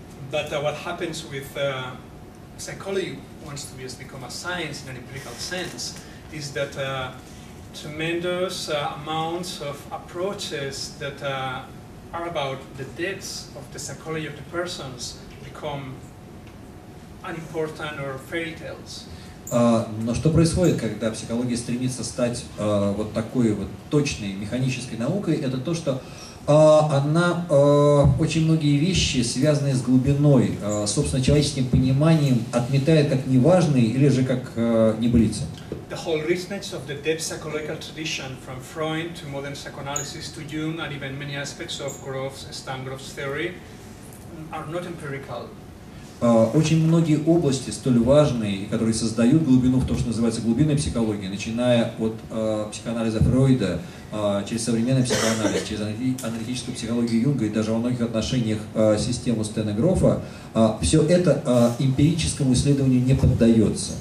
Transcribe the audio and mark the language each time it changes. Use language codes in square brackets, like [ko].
[en] But what happens with psychology wants to be, become a science in an empirical sense is that tremendous amounts of approaches that are about the depths of the psychology of the persons become unimportant or fairy tales. [ru] Но что происходит, когда психология стремится стать вот такой вот точной механической наукой, это то, что она очень многие вещи, связанные с глубиной, собственно, человеческим пониманием, отметает как неважные или же как небылицы. [en] The whole richness of the depth psychological tradition from Freud to modern psychoanalysis to Jung and even many aspects of Grof's, Stan Grof's theory are not empirical. [ru] Очень многие области, столь важные, которые создают глубину в том, что называется глубинной психологией, начиная от психоанализа Фрейда, через современный психоанализ, через аналитическую психологию Юнга и даже во многих отношениях систему Стэна Грофа, все это эмпирическому исследованию не поддается.